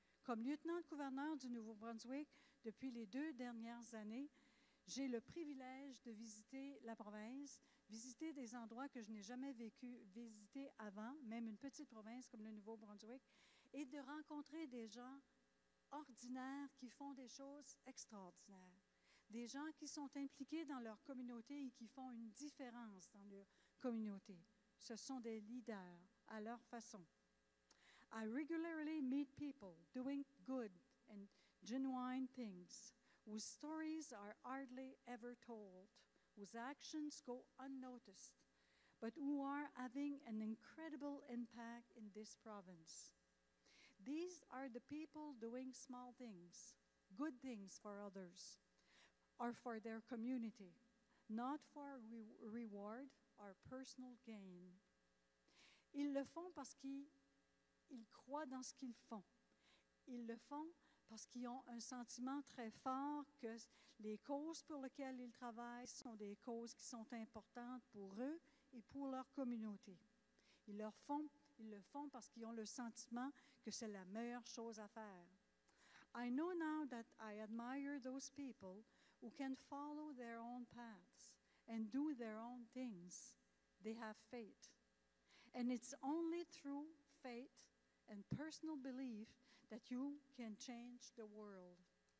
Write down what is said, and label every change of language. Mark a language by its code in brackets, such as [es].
[fr] Comme lieutenant de gouverneur du Nouveau-Brunswick, depuis les deux dernières années, j'ai le privilège de visiter la province, visiter des endroits que je n'ai jamais vécu, visiter avant, même une petite province comme le Nouveau-Brunswick, et de rencontrer des gens ordinaires qui font des choses extraordinaires. Des gens qui sont impliqués dans leur communauté et qui font une différence dans leur communauté. Ce sont des leaders à leur façon. [en] I regularly meet people doing good and genuine things whose stories are hardly ever told, whose actions go unnoticed, but who are having an incredible impact in this province. These are the people doing small things, good things for others, or for their community, not for reward or personal gain. [fr] Ils le font parce qu'ils croient dans ce qu'ils font. Ils le font parce qu'ils ont un sentiment très fort que les causes pour lesquelles ils travaillent sont des causes qui sont importantes pour eux et pour leur communauté. Ils le font parce qu'ils ont le sentiment que c'est la meilleure chose à faire. [en] I know now that I admire those people who can follow their own paths and do their own things. They have faith. And it's only through faith and personal belief that you can change the world.